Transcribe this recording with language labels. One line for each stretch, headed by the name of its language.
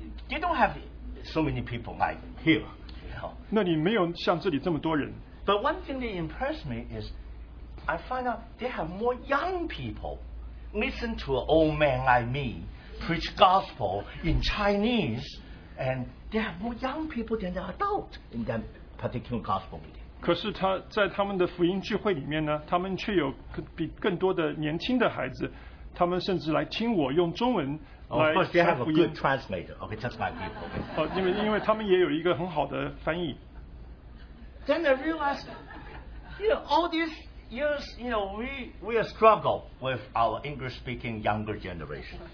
English: They don't have so many people like here.
Chinese: 那里没有像这里这么多人。
English: But one thing that impressed me is, I find out they have more young people listen to an old man like me preach gospel in Chinese, and they have more young people than the adult in that particular gospel meeting.
Chinese: 可是他在他们的福音聚会里面呢，他们却有比更多的年轻的孩子，他们甚至来听我用中文。
English: Of course, they have a good translator. Okay, just my people. Oh, because they also have a good translator. Then I realized, you know, all these years, you know, we struggle with our English speaking younger generation.